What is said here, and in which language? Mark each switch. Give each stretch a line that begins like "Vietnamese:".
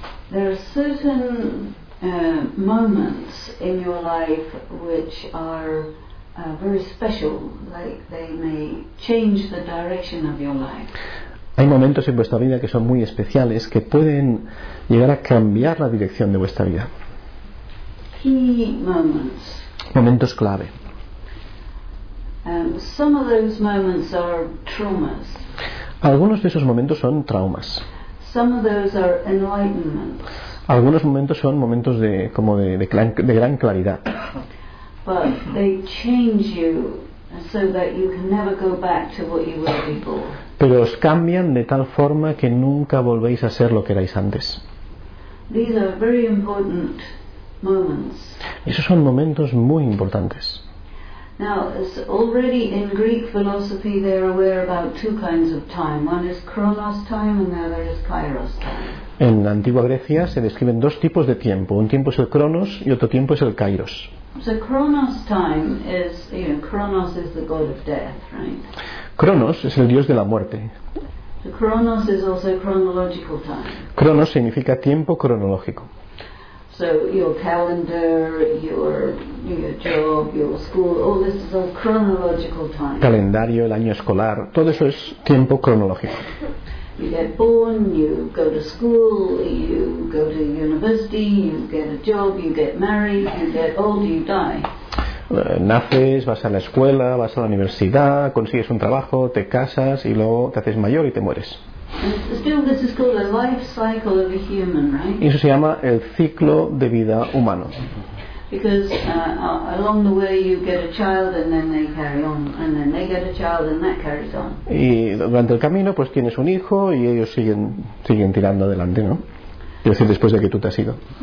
English: there are certain moments in your life which are very special, like they may change the direction of your life.
Spanish: Hay momentos en vuestra vida que son muy especiales, que pueden llegar a cambiar la dirección de vuestra vida.
English: Key moments.
Spanish: Momentos clave.
English: Some of those moments are traumas.
Spanish: Algunos de esos momentos son traumas.
English: Some of those are enlightenment.
Spanish: Algunos momentos son momentos de como de gran claridad.
English: But they change you so that you can never go back to what you were before.
Spanish: Pero os cambian de tal forma que nunca volvéis a ser lo que erais antes.
English: These are very important moments.
Spanish: Esos son momentos muy importantes.
English: Now, already in Greek philosophy, they are aware about two kinds of time. One is chronos time, and the other is kairos time.
Spanish: En la antigua Grecia se describen dos tipos de tiempo. Un tiempo es el Cronos y otro tiempo es el Kairos.
English: So Cronos time is, you know, Cronos is the god of death, right?
Spanish: Cronos es el dios de la muerte.
English: So Cronos is also chronological time.
Spanish: Cronos significa tiempo cronológico.
English: So your calendar, your job, your school, all this is all chronological time.
Spanish: Calendario, el año escolar, todo eso es tiempo cronológico.
English: You get born, you go to school, you go to university, you get a job, you get married, you get old, you die.
Spanish: Naces, vas a la escuela, vas a la universidad, consigues un trabajo, te casas y luego te haces mayor y te mueres.
English: Still, this is called a life cycle of a human, right?
Spanish: Y eso se llama el ciclo de vida humano.
English: Because along the way you get a child and then they carry on and then they get a child and that carries on.
Spanish: Y durante el camino pues tienes un hijo y ellos siguen tirando adelante, ¿no? Es decir, después de que tú te has ido.